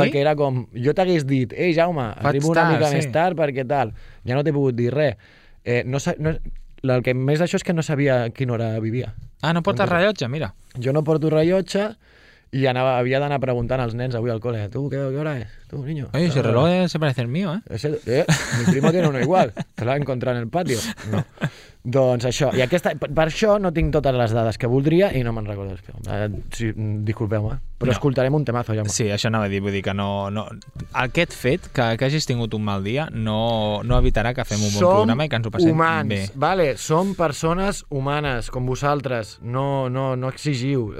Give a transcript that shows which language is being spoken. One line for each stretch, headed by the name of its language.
Catalan: Perquè era com, jo t'hagués dit, ei, Jaume, arribo una mica més tard perquè tal. Ja no t'he pogut dir res. El que més d'això és que no sabia quina hora vivia. Ah, no portes rellotge, mira. Jo no porto rellotge i havia d'anar preguntant als nens avui al col·le. Tu, què hora és? Tu,
Spanish: niño. Oye, ese reloj se parece el mío, eh? Mi primo tiene uno igual. Te lo ha encontrado en el patio. No.
Catalan: Doncs això, i aquesta, per això no tinc totes les dades que voldria i no me'n recordo el film. Sí, disculpeu-me, però no. Escoltarem un temazo. Jaume. Sí, això anava a dir, vull dir que no... Aquest fet, que hagis tingut un mal dia, no evitarà que fem un som bon programa i que ens ho passem humans, bé. Vale? Som persones humanes, com vosaltres, no exigiu.